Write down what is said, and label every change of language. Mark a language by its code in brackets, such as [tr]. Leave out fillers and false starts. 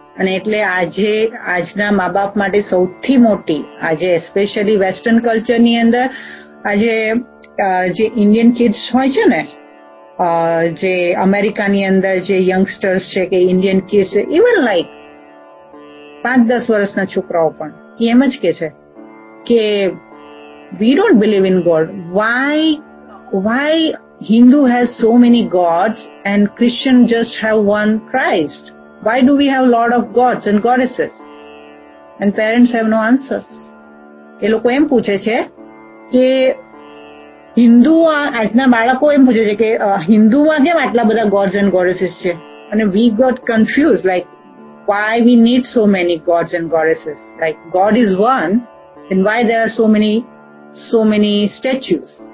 [gu] અને એટલે આજે આજના મા બાપ માટે સૌથી મોટી, આજે એસ્પેશિયલી વેસ્ટર્ન કલ્ચર ની અંદર આજે જે ઇન્ડિયન કિડ્સ હોય છે ને, જે અમેરિકાની અંદર જે યંગસ્ટર્સ છે કે ઇન્ડિયન કિડ્સ, ઇવન લાઈક 5-10 વર્ષના છોકરાઓ પણ એમ જ કે છે કે [en] we don't believe in God. Why Hindu has so many gods and Christian just have one Christ? Why do we have lot of gods and goddesses? And parents have no answers. [gu] એ લોકો એમ પૂછે છે કે હિન્દુ, આજના બાળકો એમ પૂછે છે કે હિન્દુમાં કેમ આટલા બધા ગોડ્સ એન્ડ ગોડેસીસ છે? [en] અને we got confused like why we need so many gods and goddesses, like God is one and why there are so many statues?